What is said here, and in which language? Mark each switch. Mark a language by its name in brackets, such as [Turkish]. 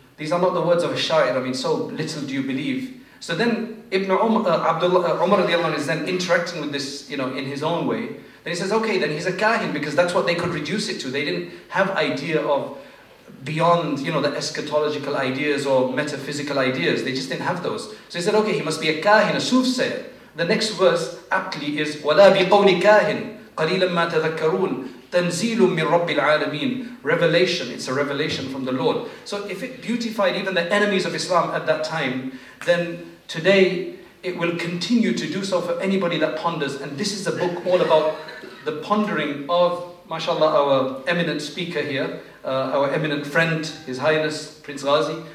[English] These are not the words of a shair. I mean, so little do you believe. So then Ibn Umar is then interacting with this, you know, in his own way. Then he says, okay, then he's a kahin, because that's what they could reduce it to. They didn't have idea of beyond, you know, the eschatological ideas or metaphysical ideas. They just didn't have those. So he said, okay, he must be a kahin, a soothsayer. The next verse aptly is, [Arabic] وَلَا بِقَوْلِ كَاهِنْ قَلِيلًا مَا تَذَكَّرُونَ تَنْزِيلٌ مِّن رَبِّ الْعَالَمِينَ. [English] Revelation, it's a revelation from the Lord. So if it beautified even the enemies of Islam at that time, then today it will continue to do so for anybody that ponders. And this is a book all about the pondering of, mashallah, our eminent speaker here, our eminent friend, His Highness Prince Ghazi.